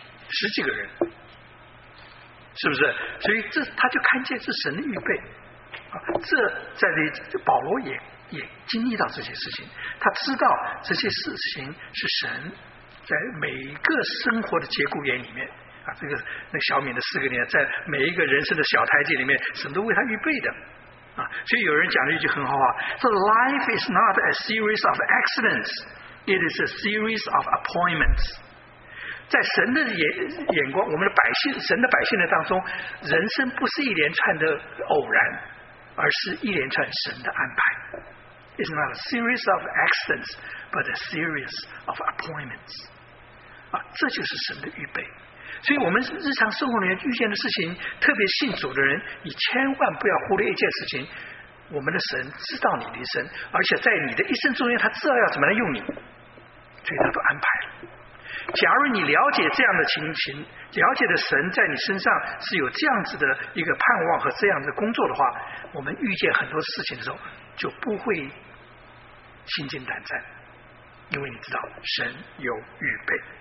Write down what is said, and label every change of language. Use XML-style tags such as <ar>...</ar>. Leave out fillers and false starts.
<zh>十几个人，是不是？所以这他就看见是神的预备啊，这在这保罗也经历到这些事情，他知道这些事情是神在每一个生活的节骨眼里面啊，这个那小敏的四个年，在每一个人生的小台阶里面，神都为他预备的啊。所以有人讲了一句很好话，说</zh> <en>Life is not a series of accidents, it is a series of appointments。</en> <zh>在神的眼光，我们的百姓，神的百姓的当中，人生不是一连串的偶然，而是一连串神的安排。</zh> <en>It's not a series of accidents, but a series of appointments.</en> <zh>啊，这就是神的预备。所以我们日常生活里面遇见的事情，特别信主的人，你千万不要忽略一件事情，我们的神知道你的一生，而且在你的一生中间，他知道要怎么来用你，所以他都安排了。假如你了解这样的情形，了解的神在你身上是有这样子的一个盼望和这样的工作的话，我们遇见很多事情的时候就不会心惊胆战，因为你知道神有预备。</zh>